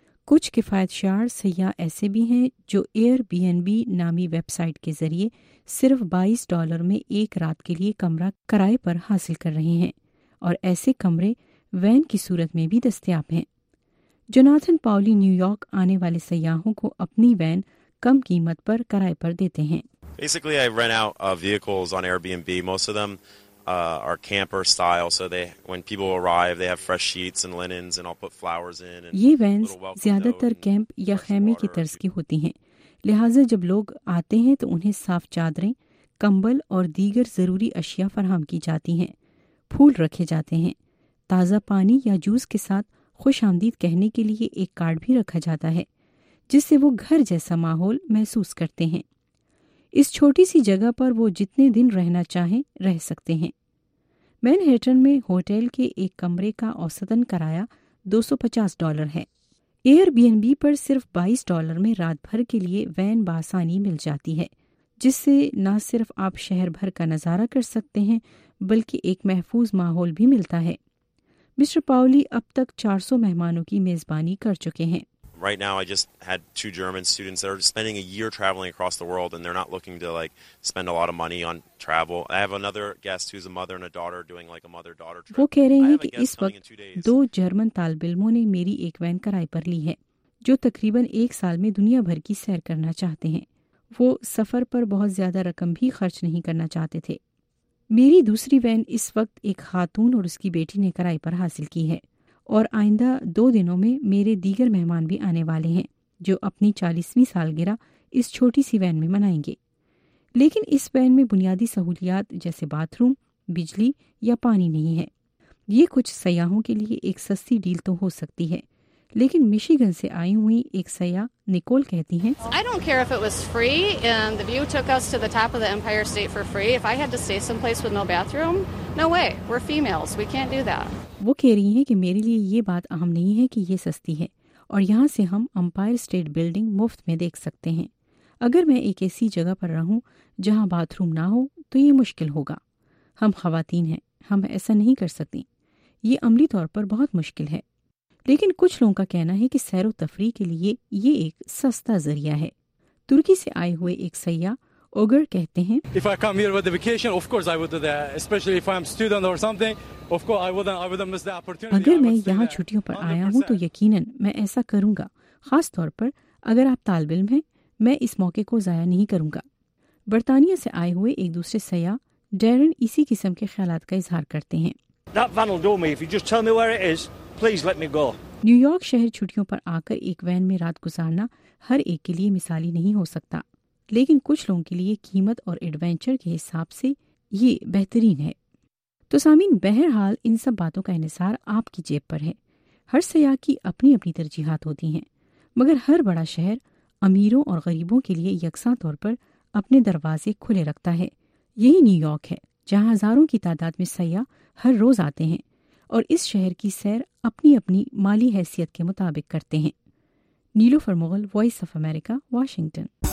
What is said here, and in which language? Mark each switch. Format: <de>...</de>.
<ur>کچھ کفایت شعار سیاح ایسے بھی ہیں جو ایئر بی این بی نامی ویب سائٹ کے ذریعے صرف $22 میں ایک رات کے لیے کمرہ کرائے پر حاصل کر رہے ہیں، اور ایسے کمرے وین کی صورت میں بھی دستیاب ہیں۔ جوناتھن پاولی نیو یارک آنے والے سیاحوں کو اپنی وین کم قیمت پر کرائے پر دیتے ہیں۔</ur> <en>Basically I rent out vehicles on Airbnb. Most of them are camper style, so they when people arrive they have fresh sheets and linens and I'll put flowers in and</en> <ur>یہ veins زیادہ تر camp یا خیمے کی طرز کی ہوتی ہیں، لہٰذا جب لوگ آتے ہیں تو انہیں صاف چادریں، کمبل اور دیگر ضروری اشیاء فراہم کی جاتی ہیں، پھول رکھے جاتے ہیں، تازہ پانی یا جوس کے ساتھ خوش آمدید کہنے کے لیے ایک کارڈ بھی رکھا جاتا ہے، جس سے وہ گھر جیسا ماحول محسوس کرتے ہیں۔ اس چھوٹی سی جگہ پر وہ جتنے دن رہنا چاہیں رہ سکتے ہیں۔ مینہٹن میں ہوٹل کے ایک کمرے کا اوسطاً کرایہ $250 ہے۔ ایئر بی این بی پر صرف $22 میں رات بھر کے لیے وین بآسانی مل جاتی ہے، جس سے نہ صرف آپ شہر بھر کا نظارہ کر سکتے ہیں بلکہ ایک محفوظ ماحول بھی ملتا ہے۔ مسٹر پاولی اب تک 400 مہمانوں کی میزبانی کر چکے ہیں۔</ur> <en>Right now I just had two German students that are spending a year traveling across the world and they're not looking to like spend a lot of money on travel. I have another guest who's a mother and a daughter doing like a mother daughter trip.</en> <ur>وہ کہہ رہے ہیں کہ اس وقت دو German طالب علموں نے میری ایک وین کرائے پر لی ہے، جو تقریباً ایک سال میں دنیا بھر کی سیر کرنا چاہتے ہیں۔ وہ سفر پر بہت زیادہ رقم بھی خرچ نہیں کرنا چاہتے تھے۔ میری دوسری وین اس وقت ایک خاتون اور اس کی بیٹی نے کرائے پر حاصل کی ہے، اور آئندہ دو دنوں میں میرے دیگر مہمان بھی آنے والے ہیں جو اپنی 40ویں سالگرہ اس چھوٹی سی وین میں منائیں گے۔ لیکن اس وین میں بنیادی سہولیات جیسے باتھ روم، بجلی یا پانی نہیں ہے۔ یہ کچھ سیاحوں کے لیے ایک سستی ڈیل تو ہو سکتی ہے، لیکن مشیگن سے آئی ہوئی ایک سیاح نکول کہتی ہیں،</ur> <en>I don't care if it was free and the view took us to the top of the Empire State for free. If I had to stay someplace with no bathroom, no way. We're females. We can't do that.</en> <ur>وہ کہہ رہی ہیں کہ میرے لیے یہ بات اہم نہیں ہے کہ یہ سستی ہے، اور یہاں سے ہم امپائر اسٹیٹ بلڈنگ مفت میں دیکھ سکتے ہیں۔ اگر میں ایک ایسی جگہ پر رہوں جہاں باتھ روم نہ ہو تو یہ مشکل ہوگا۔ ہم خواتین ہیں، ہم ایسا نہیں کر سکتی۔ یہ عملی طور پر بہت مشکل ہے، لیکن کچھ لوگوں کا کہنا ہے کہ سیر و تفریح کے لیے یہ ایک سستا ذریعہ ہے۔ ترکی سے آئے ہوئے ایک سیاح اوگر کہتے ہیں،</ur> <en>If I come here with a vacation, of course I would do that. Especially if I'm student or something, of course I wouldn't miss the opportunity.</en> <ur>اگر میں یہاں چھٹیوں پر آیا ہوں تو یقیناً میں ایسا کروں گا، خاص طور پر اگر آپ طالب علم ہیں، میں اس موقع کو ضائع نہیں کروں گا۔ برطانیہ سے آئے ہوئے ایک دوسرے سیاح ڈیرن اسی قسم کے خیالات کا اظہار کرتے ہیں۔</ur> <en>that van will do me. If you just tell me where it is, please let me go.</en> <ur>New York شہر چھٹیوں پر آ کر ایک وین میں رات گزارنا ہر ایک کے لیے مثالی نہیں ہو سکتا، لیکن کچھ لوگوں کے لیے قیمت اور ایڈونچر کے حساب سے یہ بہترین ہے۔ تو سامعین، بہرحال ان سب باتوں کا انحصار آپ کی جیب پر ہے۔ ہر سیاح کی اپنی اپنی ترجیحات ہوتی ہیں، مگر ہر بڑا شہر امیروں اور غریبوں کے لیے یکساں طور پر اپنے دروازے کھلے رکھتا ہے۔ یہی نیو یارک ہے، جہاں ہزاروں کی تعداد میں سیاح ہر روز آتے ہیں اور اس شہر کی سیر اپنی اپنی مالی حیثیت کے مطابق کرتے ہیں۔ Neelu فرمغل، voice of America, Washington.</ur>